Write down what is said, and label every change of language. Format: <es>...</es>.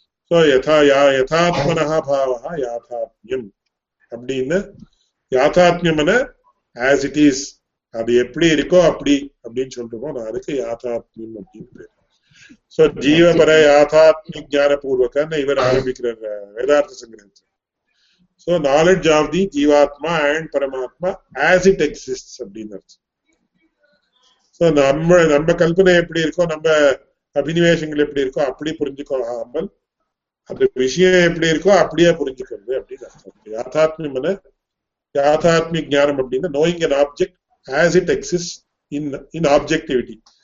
<ta>So யதா யா யதாத்மனா பாவா யாதாத்மியம் அப்படின்னு, யாதாத்மியம்னு</ta> <en>as it is</en> <ta>அது எப்படி இருக்கோ அப்படி அப்படின்னு சொல்றோம், நான் அதுக்கு யாதாத்மியம் அப்படின்னு பேர். சோ ஜீவபர யாதாத்மிய ஞான பூர்வக்கன்னு இவர் ஆரம்பிக்கிறார் வேதார்த்த சங்கிரகத்தை.</ta> <en>So, knowledge of the Jeevatma and Paramatma as it exists.</en> <ta>So, நம்ம கல்பனை எப்படி இருக்கோ, நம்ம அபினிவேசங்கள் எப்படி இருக்கோ அப்படி புரிஞ்சுக்கோ ஆம்பல், அது விஷயம் எப்படி இருக்கோ அப்படியே புரிஞ்சுக்கிறது அப்படின்னு. யாதாத்மியம்னு யாதாத்மிய ஜானம் அப்படின்னா</ta> <en>knowing an object as it exists in objectivity.</en>